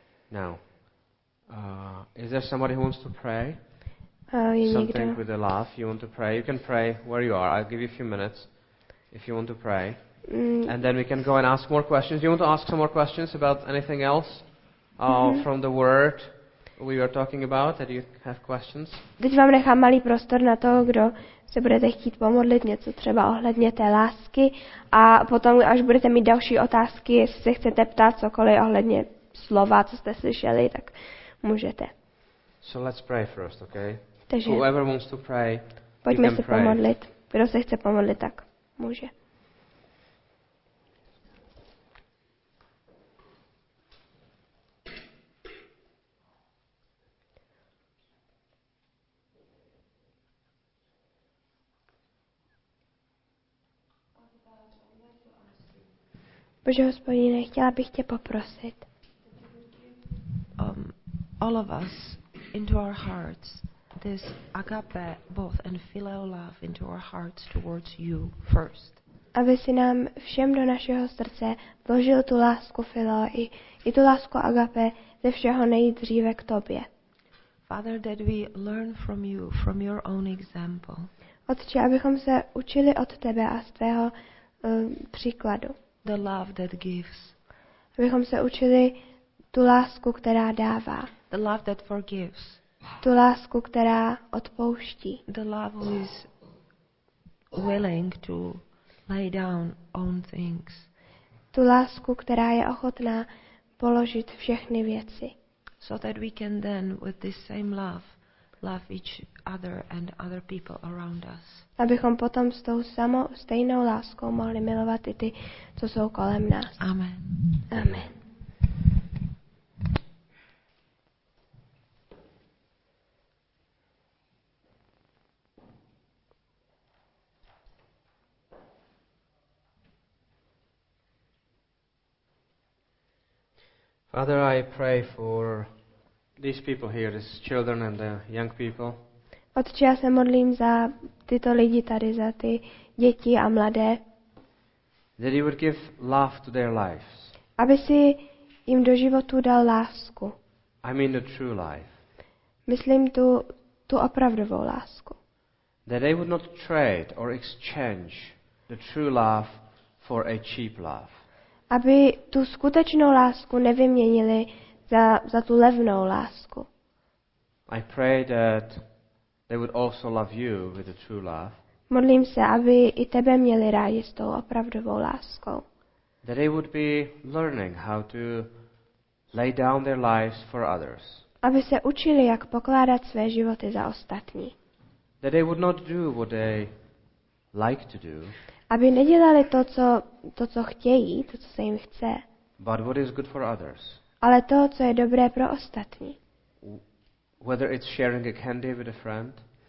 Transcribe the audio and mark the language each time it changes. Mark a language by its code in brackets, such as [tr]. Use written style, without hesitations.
[en] Now, is there somebody who wants to pray? Something with a laugh. You want to pray? You can pray where you are. I'll give you a few minutes if you want to pray. And then we can go and ask more questions. You want to ask some more questions about anything else from the word we were talking about? That you have questions? [cs] Teď vám nechám malý prostor na to, kdo se budete chtít pomodlit něco třeba ohledně té lásky a potom, až budete mít další otázky, jestli se chcete ptát cokoliv ohledně slova, co jste slyšeli, tak můžete. [en] So let's pray first, okay? [cs] Takže [en] whoever wants to pray, [cs] pojďme se pomodlit. Kdo se chce pomodlit, tak může. Bože, Hospodine, chtěla bych tě poprosit. [en] All of us into our hearts this agape both and phileo love into our hearts towards you first. [cs] Aby si nám všem do našeho srdce vložil tu lásku phileo i tu lásku agape ze všeho nejdříve k tobě. [en] Father, that we learn from you from your own example. [cs] Otče, abychom se učili od tebe a z tvého příkladu. [en] The love that gives. [cs] abychom se učili tu lásku, která dává. [en] The love that forgives. [cs] Tu lásku, která odpouští. [en] The love who is willing to lay down own things. [cs] Tu lásku, která je ochotná položit všechny věci. [en] So that we can then with this same love love each other and other people around us. [cs] Abychom potom s tou samou stejnou láskou mohli milovat i ty, co jsou kolem nás. [en] Amen. [cs] Amen. [en] Father, I pray for these people here, these children and the young people. [cs] Otče, já se modlím za tyto lidi tady, za ty děti a mladé. [en] That you would give love to their lives. [cs] Aby si jim do životu dal lásku. [en] I mean the true life. [cs] Myslím tu opravdovou lásku. [en] That they would not trade or exchange the true love for a cheap love. [cs] Aby tu skutečnou lásku nevyměnili za tu levnou lásku. [en] I pray that they would also love you with the true love. [cs] Modlím se, aby i tebe měli rádi s tou opravdovou láskou. [en] That they would be learning how to lay down their lives for others. [cs] Aby se učili, jak pokládat své životy za ostatní. [en] That they would not do what they like to do. [cs] Aby nedělali to, co chtějí, to, co se jim chce. [en] But what is good for others. [cs] Ale to, co je dobré pro ostatní. [en] Whether it's sharing a candy with a friend.